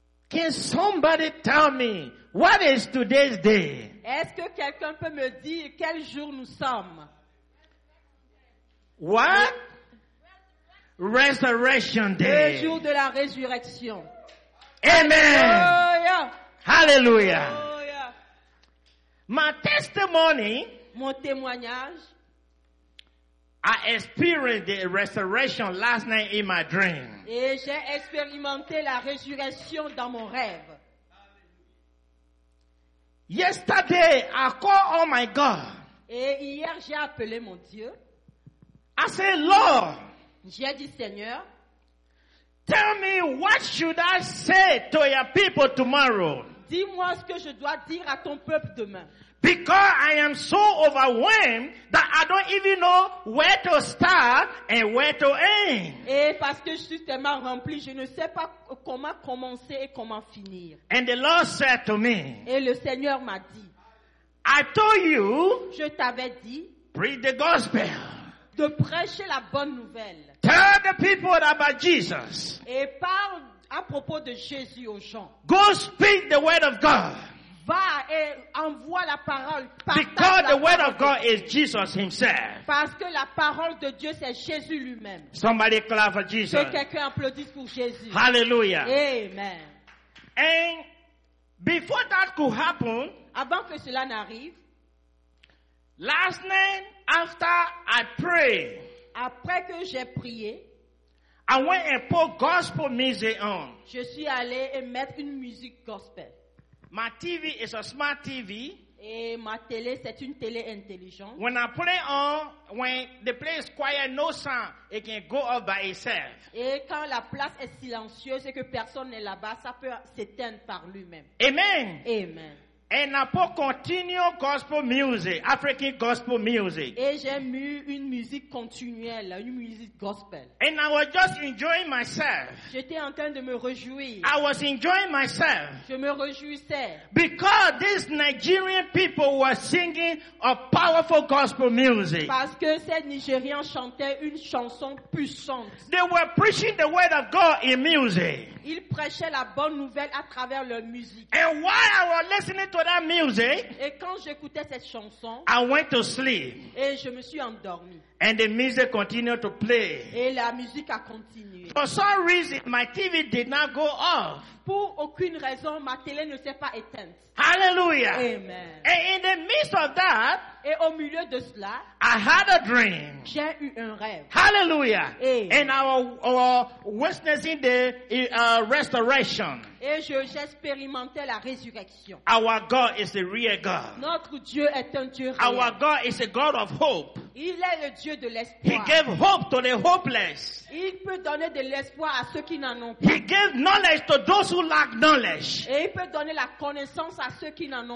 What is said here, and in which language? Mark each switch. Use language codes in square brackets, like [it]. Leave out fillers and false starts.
[en] Can somebody tell me what is today's day? [fr] Est-ce que quelqu'un peut me dire quel jour nous sommes? [en] What? Resurrection Day. [fr] Le jour de la résurrection. [en] Amen. Hallelujah. Hallelujah. Hallelujah. My testimony. [fr] Mon témoignage. [en] I experienced the resurrection last night in my dream. [fr] Et j'ai expérimenté la résurrection dans mon rêve. [en] Yesterday, I called on my God. [fr] Et hier, j'ai appelé mon Dieu. [en] I said, Lord. [fr] J'ai dit, Seigneur. [en] Tell me what should I say to your people tomorrow. [fr] Dis-moi ce que je dois dire à ton peuple demain. [en] Because I am so overwhelmed that I don't even know where to start and where to end. [fr] Et parce que je suis tellement rempli, je ne sais pas comment commencer et comment finir. [en] And the Lord said to me. [fr] Et le Seigneur m'a dit. [en] I told you. [fr] Je t'avais dit. [en] Preach the gospel. [fr] De prêcher la bonne nouvelle. [en] Tell the people about Jesus. [fr] Et parle à propos de Jésus aux gens. [en] Go speak the word of God. [fr] Va et envoie la parole. [en] Because the word of God is Jesus himself. [fr] Parce que la parole de Dieu, c'est Jésus lui-même. [en] Somebody clap for Jesus. [fr] Que quelqu'un applaudisse pour Jésus. [en] Hallelujah. Amen. And before that could happen, [fr] avant que cela n'arrive, [en] last night, after I prayed, [fr] après que j'ai prié, [en] I went and put gospel music on. [fr] Je suis allé et mettre une musique gospel. [en] My TV is a smart TV. [fr] Et ma télé, c'est une télé intelligente. [en] When I put it on, when the place is quiet, no sound, it can go off by itself. [fr] Et quand la place est silencieuse et que personne n'est là-bas, ça peut s'éteindre par lui-même. [en] Amen. Amen. And I put continual gospel music, African gospel music. [fr] Et j'ai mis une musique continuelle, une musique gospel. [en] And I was just enjoying myself. [fr] J'étais en train de me réjouir. [en] I was enjoying myself. [fr] Je me réjouissais. [en] Because these Nigerian people were singing a powerful gospel music. [fr] Parce que ces Nigériens chantaient une chanson puissante. [en] They were preaching the word of God in music. [fr] Ils prêchaient la bonne nouvelle à travers leur musique. [en] And while I was listening to that music, [fr] et quand j'écoutais cette chanson, [en] I went to sleep. [fr] Et je me suis endormi. [en] And the music continued to play. [fr] Et la musique a continué. [en] For some reason, my TV did not go off. [fr] Pour aucune raison, ma télé ne s'est pas éteinte. [en] Hallelujah. Amen. And in the midst of that, [fr] et au milieu de cela, [en] I had a dream. [fr] J'ai eu un rêve. [en] Hallelujah. Amen. And I was witnessing the resurrection. [fr] Et j'expérimentais la résurrection. [en] Our God is the real God. [fr] Notre Dieu est un Dieu réel. [en] Our God is a God of hope. [fr] Il est le Dieu de l'espoir. [en] He gave hope to the hopeless. [fr] Il peut donner de l'espoir à ceux qui n'en ont pas. [en] He gave knowledge to those who lack knowledge. [fr] Et il peut donner la connaissance à ceux qui n'en ont